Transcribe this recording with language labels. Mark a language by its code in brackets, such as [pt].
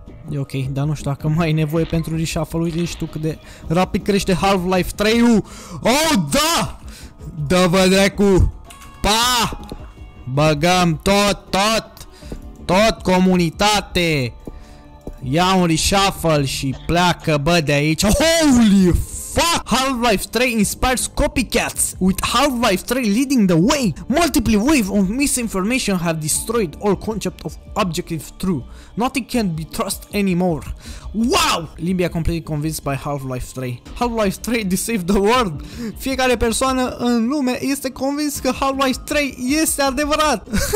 [ro] E ok, dar nu știu dacă mai ai nevoie pentru reshuffle. Uite și tu cât de rapid crește Half-Life 3-ul. Oh, da! Dă-vă dracu! Pa! Băgăm tot, tot! Tot comunitate! Ia un reshuffle și pleacă, bă, de aici. [en] Holy fuck! Half-Life 3 inspires copycats, with Half-Life 3 leading the way. Multiple waves of misinformation have destroyed all concept of objective truth. Nothing can be trust anymore. Wow! Libia completely convinced by Half-Life 3. Half-Life 3 deceived the world. [ro] Fiecare persoană în lume este convins că Half-Life 3 este adevărat.